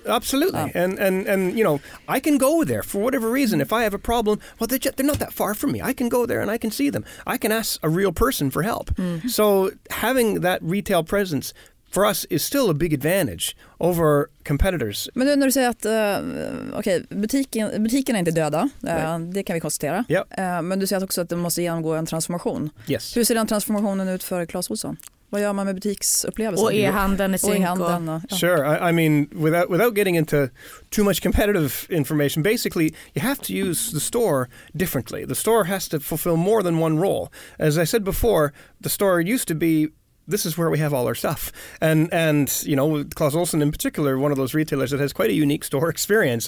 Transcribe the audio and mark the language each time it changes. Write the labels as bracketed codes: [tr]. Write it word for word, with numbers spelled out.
[en] Absolutely. [sv] Ja. [en] And, and, and, you know, I can go there for whatever reason. If I have a problem, well, they're, just, they're not that far from me. I can go there and I can see them. I can ask a real person for help. Mm. So having that retail presence for us is still a big advantage over competitors. [sv] Men nu när du säger att uh, okay, butiken, butikerna är inte döda, uh, det kan vi konstatera. [en] Yep. [sv] Uh, men du säger också att det måste genomgå en transformation. [en] Yes. [sv] Hur ser den transformationen ut för Clas Ohlson? Vad gör man med butiksupplevelsen? Och e-handeln i synk. [en] Sure, I, I mean, without without getting into too much competitive information, basically you have to use the store differently. The store has to fulfill more than one role. As I said before, the store used to be this is where we have all our stuff. And, and you know, Clas Ohlson in particular, one of those retailers that has quite a unique store experience.